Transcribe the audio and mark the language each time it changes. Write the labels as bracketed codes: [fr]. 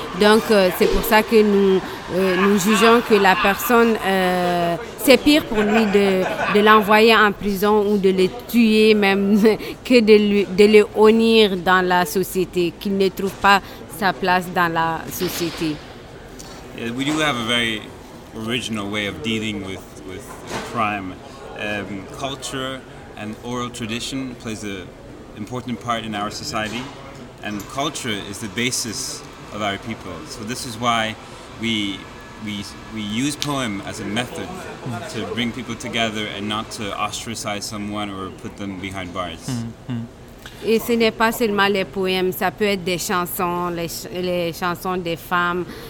[fr] Donc c'est pour ça que nous jugeons que la personne, c'est pire pour lui de l'envoyer en prison ou de le tuer même que de le honnir dans la société, qu'il ne trouve pas sa place dans la société. [en] Yeah, we do have a very original way of dealing with crime. Culture and oral tradition plays an important part in our society, and culture is the basis of our people. So this is why we use poem as a method to bring people together and not to ostracize someone or put them behind bars. Mm-hmm. [fr] Et ce n'est pas seulement les poèmes, ça peut être des chansons, les chansons des femmes.